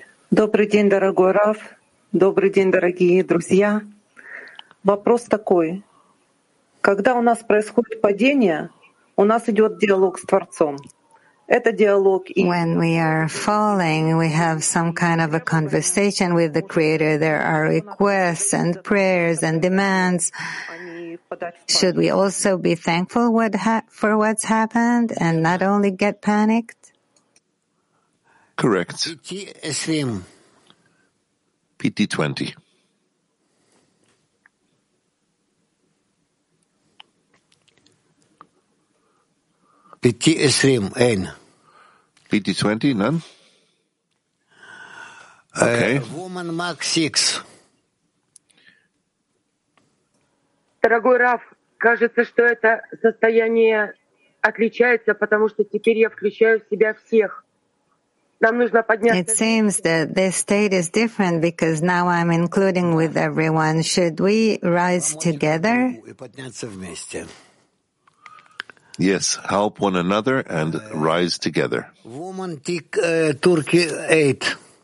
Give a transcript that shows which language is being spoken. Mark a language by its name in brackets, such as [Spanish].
[Russian] Добрый день, дорогой Рав. Добрый день, дорогие друзья. Вопрос такой. Когда у нас происходит падение, у нас идет диалог с Творцом. Это диалог. [English] When we are falling, we have some kind of a conversation with the Creator. There are requests and prayers and demands. Should we also be thankful for what's happened and not only get panicked? Correct. PT 20. PT 20, N. PT 20, none? Okay. Woman Mark 6. [Russian] Дорогой Рав, кажется, что это состояние отличается, потому что теперь я включаю в себя всех. Нам нужно подняться. [English] It seems that this state is different because now I'm including with everyone. Should we rise together? [Russian] Подняться вместе. [English] Yes, help one another and rise together. Woman Tik Turkey 8.